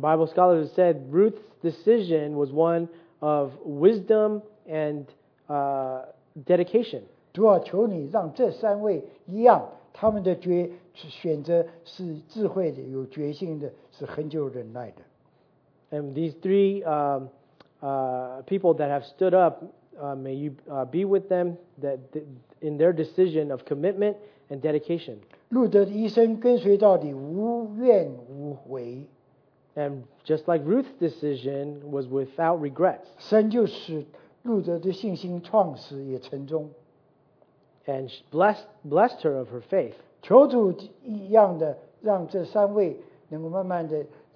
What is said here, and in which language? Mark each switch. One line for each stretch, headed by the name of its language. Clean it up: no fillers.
English: Bible scholars have said Ruth's decision was one of wisdom and dedication.
Chinese: 主啊，求你让这三位一样，他们的选择是智慧的、有决心的，是恒久忍耐的。
English: And these three people that have stood up, may you be with them that in their decision of commitment and dedication.
Chinese: 路德的一生跟随到底，无怨无悔。
English: And just like Ruth's decision was without regrets.
Chinese: 神就使路德的信心创始也成终。
English: And blessed her of her faith.
Chinese: 求主一样的让这三位能够慢慢的。